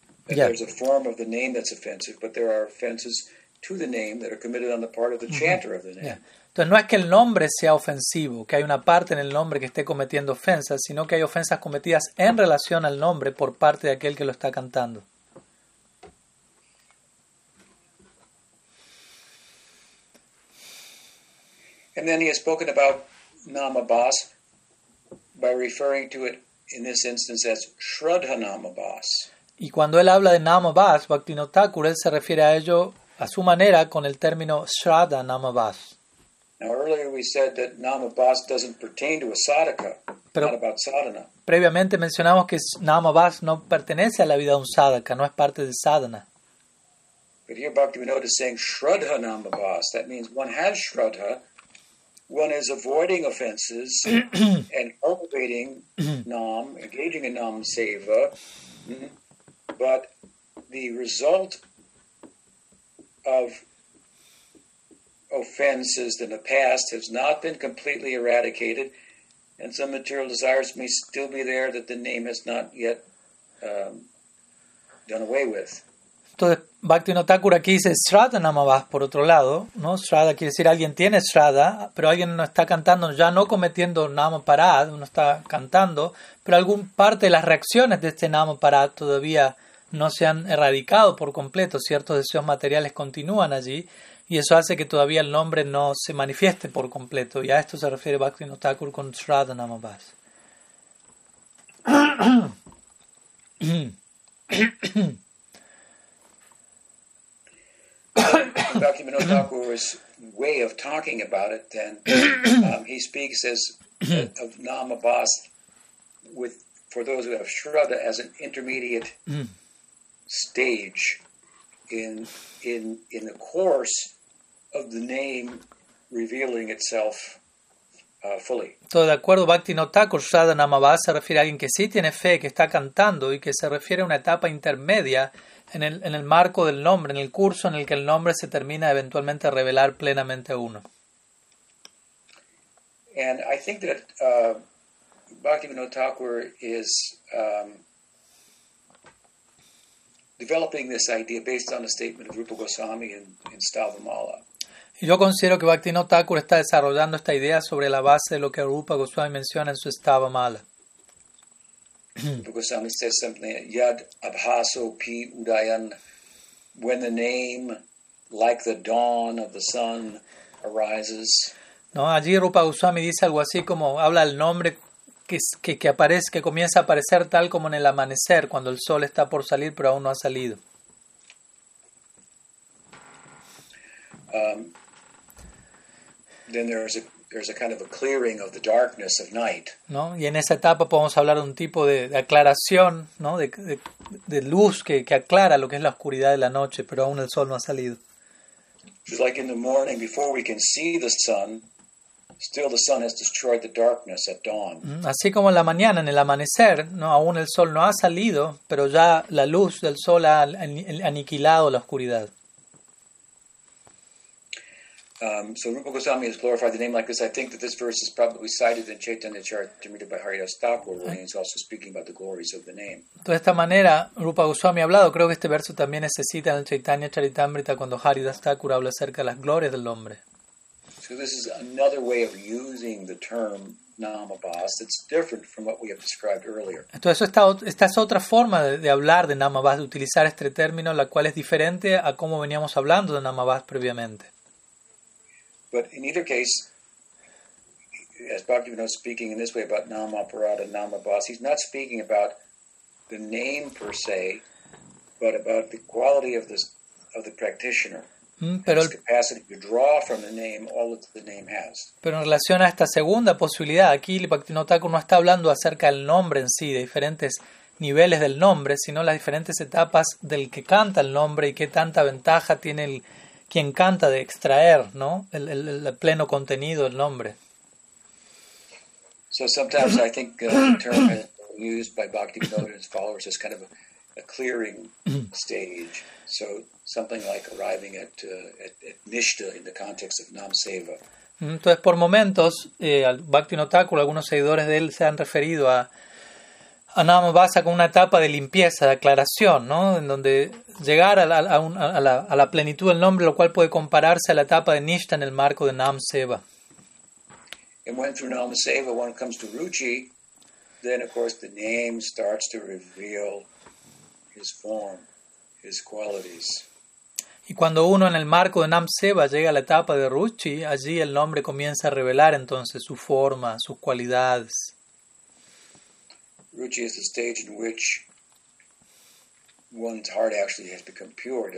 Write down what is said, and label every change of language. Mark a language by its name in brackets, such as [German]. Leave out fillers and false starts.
[English] Offensive, but the name that's offensive, but there are offenses to the name that are committed on the part of the chanter of the name. Yeah. [Spanish] Entonces no es que el nombre sea ofensivo, que hay una parte en el nombre que esté cometiendo ofensas, sino que hay ofensas cometidas en relación al nombre por parte de aquel que lo está cantando. [English] And then he has spoken about Namabhasa by referring to it in this instance as Suddha-nama-bhasa. [Spanish] Y cuando él habla de Namabhasa, Bhaktivinoda Thakur, él se refiere a ello a su manera con el término Suddha-nama-bhasa. [English] Now, earlier we said that Namabhasa doesn't pertain to a sadhaka, [Spanish] pero [English] not about sadhana. [Spanish] Previamente mencionamos que Namabhasa no pertenece a la vida de un sadhaka, no es parte de sadhana. [English] But here Bhaktivinoda is saying Suddha-nama-bhasa. That means one has Suddha, one is avoiding offenses and cultivating Nam, engaging in Nam Seva, but the result of offenses in the past has not been completely eradicated, and some material desires may still be there that the name has not yet done away with. [Spanish] Entonces, Bhaktivinoda Thakur aquí dice Shraddha Namabhasa, por otro lado, ¿no? Shraddha quiere decir alguien tiene Shraddha, pero alguien no está cantando, ya no cometiendo Namaparadha, uno está cantando, pero alguna parte de las reacciones de este Namaparadha todavía no se han erradicado por completo, ciertos deseos materiales continúan allí, y eso hace que todavía el nombre no se manifieste por completo, y a esto se refiere Bhaktivinoda Thakur con Shraddha Namabhasa. [English] Bhaktivinoda Thakur's way of talking about it, then he speaks as of Namabhasa with for those who have Shraddha as an intermediate stage in the course of the name revealing itself fully. [Spanish] Todo de acuerdo, Bhaktivinoda Thakur, Shraddha Namabhasa se refiere a alguien que sí tiene fe, que está cantando y que se refiere a una etapa intermedia. En el marco del nombre, en el curso en el que el nombre se termina eventualmente a revelar plenamente a uno. [English] And I think that Bhaktivinoda Thakur is developing this idea based on a statement of Rupa Goswami in Stavamala. [Spanish] Yo considero que Bhaktivinoda Thakur está desarrollando esta idea sobre la base de lo que Rupa Goswami menciona en su Stavamala. [English] Because Goswami says something, [Sanskrit] Yad Abhaso Pi Udayan, [English] when the name, like the dawn of the sun, arises. [Spanish] No, allí Rupa Goswami dice algo así como, habla el nombre que aparece, que comienza a aparecer tal como en el amanecer, cuando el sol está por salir, pero aún no ha salido. [English] Then there's a kind of a clearing of the darkness of night. [Spanish] ¿No? Y en esa etapa podemos hablar de un tipo de aclaración, ¿no? De luz que aclara lo que es la oscuridad de la noche, pero aún el sol no ha salido. [English] It's like in the morning before we can see the sun, still the sun has destroyed the darkness at dawn. [Spanish] Así como en la mañana, en el amanecer, ¿no? Aún el sol no ha salido, pero ya la luz del sol ha aniquilado la oscuridad. [English] So Rupa Goswami has glorified the name like this. I think that this verse is probably cited in Chaitanya Charitamrita by Haridas Thakur, where he's also speaking about the glories of the name. [Spanish] De esta manera, Rupa Goswami ha hablado. Creo que este verso también se cita en Chaitanya Charitamrita cuando Haridas Thakur habla acerca de las glorias del nombre. [English] So this is another way of using the term Namabhasa. It's different from what we have described earlier. [Spanish] Entonces esta es otra forma de hablar de Namabhasa, de utilizar este término, la cual es diferente a cómo veníamos hablando de Namabhasa previamente. [English] But in either case, as Bhaktivinoda is speaking in this way about Namaparadha, Namabhasa, he's not speaking about the name per se, but about the quality of the practitioner, [Spanish] pero [English] his capacity to draw from the name all that the name has. [Spanish] Pero en relación a esta segunda posibilidad, aquí Bhaktivinoda Thakur no está hablando acerca del nombre en sí, de diferentes niveles del nombre, sino las diferentes etapas del que canta el nombre y qué tanta ventaja tiene el quien canta de extraer, ¿no? El pleno contenido del nombre. [English] So sometimes I think the term is used by Bhaktivinoda and his followers as kind of a clearing stage. So something like arriving at nishta in the context of nam seva. [Spanish] Entonces por momentos Bhaktivinoda Thakur, algunos seguidores de él se han referido a a Namabhasa como una etapa de limpieza, de aclaración, ¿no? En donde llegar a la plenitud del nombre, lo cual puede compararse a la etapa de Nishtha en el marco de Nam Seva. [English] And when through Nam Seva one comes to Ruchi, then of course the name starts to reveal his form, his qualities. [Spanish] Y cuando uno en el marco de Nam Seva llega a la etapa de Ruchi, allí el nombre comienza a revelar entonces su forma, sus cualidades. [English] Ruchi is the stage in which one's heart actually has become pure.